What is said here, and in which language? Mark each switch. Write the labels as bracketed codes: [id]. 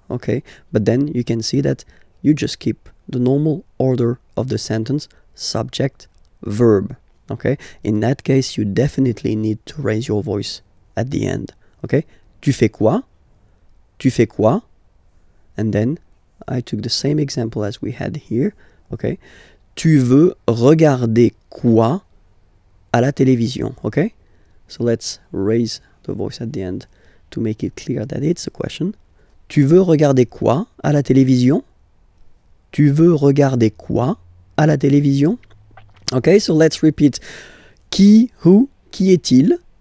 [en] Okay, but then you can see that you just keep the normal order of the sentence. Subject, verb. Okay, in that case, you definitely need to raise your voice at the end. Okay, [fr] tu fais quoi? Tu fais quoi? [en] And then I took the same example as we had here. [fr] Okay, tu veux regarder quoi à la télévision? [en] Okay, so let's raise the voice at the end to make it clear that it's a question. [fr] Tu veux regarder quoi à la télévision? Tu veux regarder quoi à la télévision? [en] Okay, so let's repeat. Qui, who, [fr] qui est-il?